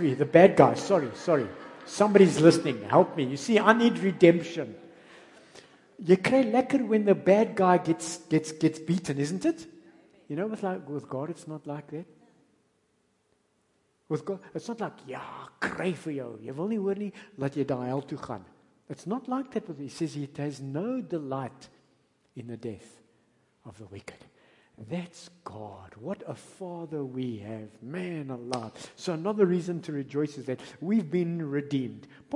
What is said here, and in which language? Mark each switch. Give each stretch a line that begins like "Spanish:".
English: The bad guy, sorry. Somebody's listening, help me. You see, I need redemption.
Afrikaans: Jy kry lekker
English: when the bad guy gets beaten, isn't it? You know, with God it's not like that. With God, it's not like,
Afrikaans: ja, kry vir jou. Jy wil nie hoor nie, laat jy daar hel toe gaan.
English: It's not like that. He says it has no delight in the death of the wicked. That's God. What a father we have. Man alive. So another reason to rejoice is that we've been redeemed.